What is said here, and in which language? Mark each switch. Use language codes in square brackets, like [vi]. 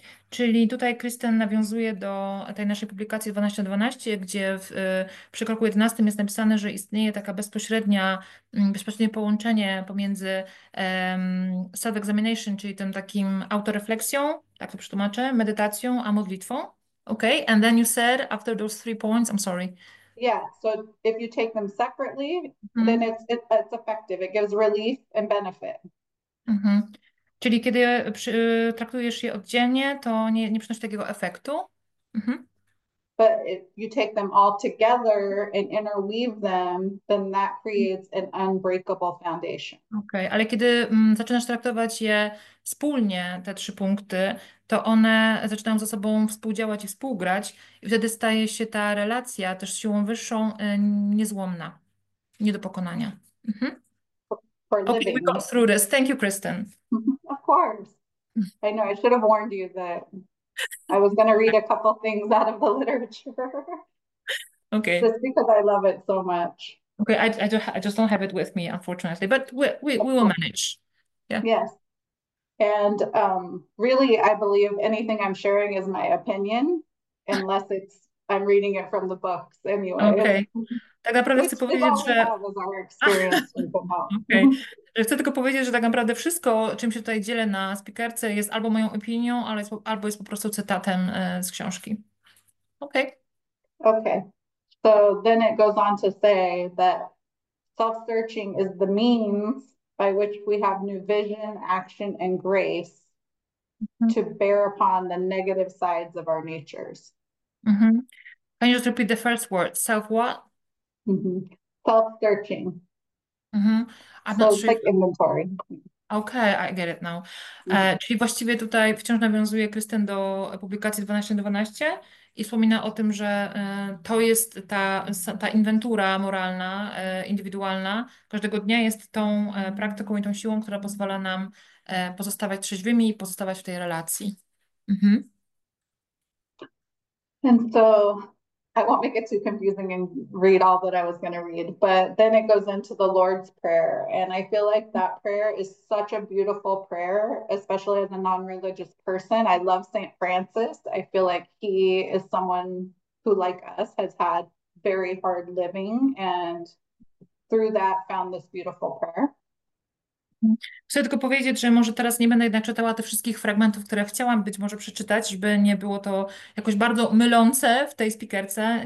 [pl] Czyli tutaj Kristen nawiązuje do tej naszej publikacji 12.12, gdzie przy kroku 11 jest napisane, że istnieje taka bezpośrednie połączenie pomiędzy self-examination, czyli tym takim autorefleksją, tak to przetłumaczę, medytacją, a modlitwą. [en] Okay, and then you said after those three points, I'm sorry. Yeah, so if you take them separately, then it's effective. It gives relief and benefit. [pl] Czyli kiedy traktujesz je oddzielnie, to nie przynosi takiego efektu. [en] But if you take them all together and interweave them, then that creates an unbreakable foundation. [pl] Okay, ale kiedy zaczynasz traktować je wspólnie, te trzy punkty, to one zaczynają ze sobą współdziałać i współgrać, i wtedy staje się ta relacja też siłą wyższą niezłomna, nie do pokonania. [en] For Okay, we got living. through this. Thank you, Kristen. Of course. I know I should have warned you that I was going to read a couple things out of the literature Okay. just because I love it so much. Okay, I just don't have it with me, unfortunately, but we will manage. Yes. And really, I believe anything I'm sharing is my opinion, unless it's I'm reading it from the books, anyways. [pl] Okay. Tak naprawdę chcę [en] Which is [pl] powiedzieć, [en] all we [pl] że [en] have is our experience with the book. okay. [pl] Chcę tylko powiedzieć, że tak naprawdę wszystko, czym się tutaj dzielę na speakerce, jest albo moją opinią, albo jest po prostu cytatem z książki. [en] Okay. Okay, so then it goes on to say that self-searching is the means by which we have new vision, action, and grace to bear upon the negative sides of our natures. Can you just repeat the first word? Self what? Self-searching. I'm not So it's sure. like inventory. Okay, I get it now. [pl] Czyli właściwie tutaj wciąż nawiązuje Krysten do publikacji 12.12 i wspomina o tym, że to jest ta inwentura moralna, indywidualna. Każdego dnia jest tą praktyką i tą siłą, która pozwala nam pozostawać trzeźwymi i pozostawać w tej relacji. [en] And so I won't make it too confusing and read all that I was going to read, but then it goes into the Lord's Prayer. And I feel like that prayer is such a beautiful prayer, especially as a non-religious person. I love Saint Francis. I feel like he is someone who, like us, has had very hard living and through that found this beautiful prayer. [pl] Chcę tylko powiedzieć, że może teraz nie będę jednak czytała tych wszystkich fragmentów, które chciałam być może przeczytać, by nie było to jakoś bardzo mylące w tej spikerce.